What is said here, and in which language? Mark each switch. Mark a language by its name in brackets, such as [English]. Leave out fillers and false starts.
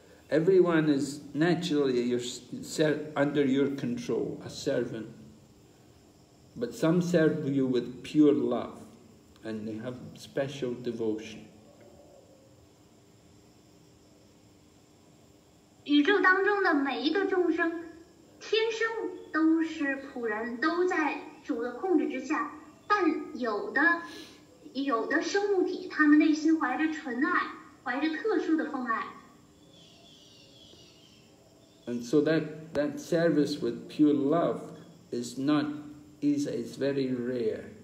[English] Everyone is naturally under your control, a servant. But some serve you with pure love, and they have special devotion. [Chinese] 宇宙当中的每一个众生，天生都是仆人，都在主的控制之下。但有的生物体，他们内心怀着纯爱，怀着特殊的奉爱。 [English] And so that service with pure love is not. It's very rare.